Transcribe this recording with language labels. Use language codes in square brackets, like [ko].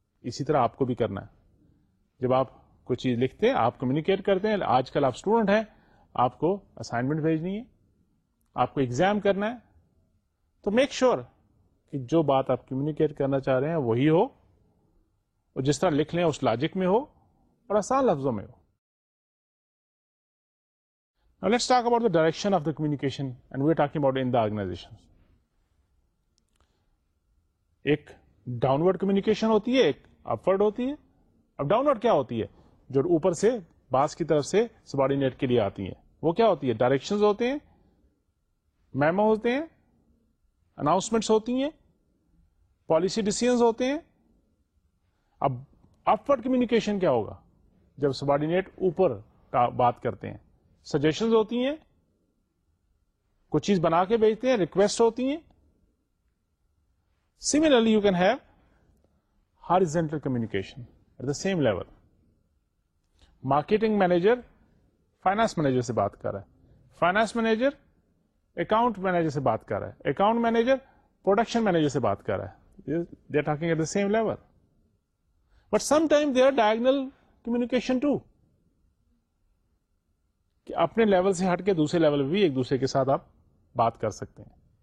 [ur] اسی طرح آپ کو بھی کرنا ہے. جب آپ کوئی چیز لکھتے ہیں آپ کمیونیکیٹ کرتے ہیں, آج کل آپ اسٹوڈنٹ ہیں, آپ کو اسائنمنٹ بھیجنی ہے, آپ کو ایگزام کرنا ہے, تو میک شیور کہ جو بات آپ کمیونیکیٹ کرنا چاہ رہے ہیں وہی ہو اور جس طرح لکھ لیں اس لاجک میں ہو اور آسان لفظوں میں ہو. [en] Now let's talk about the direction of the communication and we're talking about in the organization. [ur] ایک ڈاؤن ورڈ کمیونیکیشن ہوتی ہے, ایک اپورڈ ہوتی ہے. اب ڈاؤن ورڈ کیا ہوتی ہے؟ جو اوپر سے باس کی طرف سے سبارڈینیٹ کے لیے آتی ہیں وہ کیا ہوتی ہے؟ ڈائریکشنز ہوتے ہیں, میمو ہوتے ہیں, اناؤنسمنٹس ہوتی ہیں, پالیسی ڈیسیژنز ہوتے ہیں. اب اپورڈ کمیونیکیشن کیا ہوگا؟ جب سبارڈینیٹ اوپر بات کرتے ہیں, سجیشنز ہوتی ہیں, کچھ چیز بنا کے بھیجتے ہیں, ریکویسٹ ہوتی ہیں. [en] Similarly you can have horizontal communication at the same level. [ur] Marketing manager finance manager سے بات کر رہا ہے, فائنانس مینیجر اکاؤنٹ مینیجر سے بات کر رہا ہے, اکاؤنٹ مینیجر پروڈکشن مینیجر سے بات کر رہا ہے. [en] they are talking at the same level, but some time they are diagonal communication too, [ur] کہ اپنے لیول سے ہٹ کے دوسرے لیول بھی ایک دوسرے کے ساتھ آپ بات کر سکتے ہیں.